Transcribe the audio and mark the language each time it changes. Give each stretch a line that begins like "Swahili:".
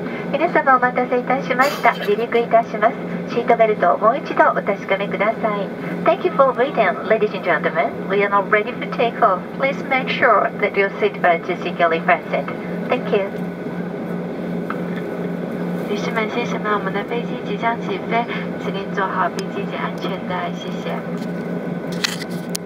Japanese: みなさまお待たせいたしました。離陸いたします。シートベルトをもう一度お確かめください。
English: Thank you for waiting, ladies and gentlemen. We are now ready for takeoff. Please make sure that your seat belt is securely fastened. Thank you.
Chinese: 女士们、先生们，我们的飞机即将起飞，请您做好并系紧安全带，谢谢。